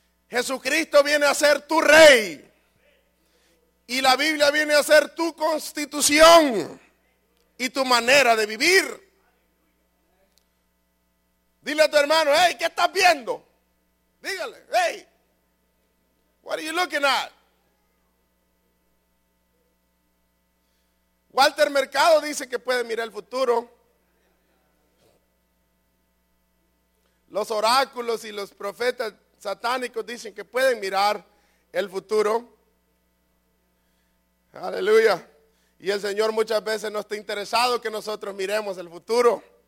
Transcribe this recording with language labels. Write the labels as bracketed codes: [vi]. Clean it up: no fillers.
[es] Jesucristo viene a ser tu rey y la Biblia viene a ser tu constitución y tu manera de vivir. Dile a tu hermano, hey, ¿qué estás viendo? Dígale, [en] hey, what are you looking at? [es] Walter Mercado dice que puede mirar el futuro. Los oráculos y los profetas satánicos dicen que pueden mirar el futuro. Aleluya. Y el Señor muchas veces no está interesado que nosotros miremos el futuro.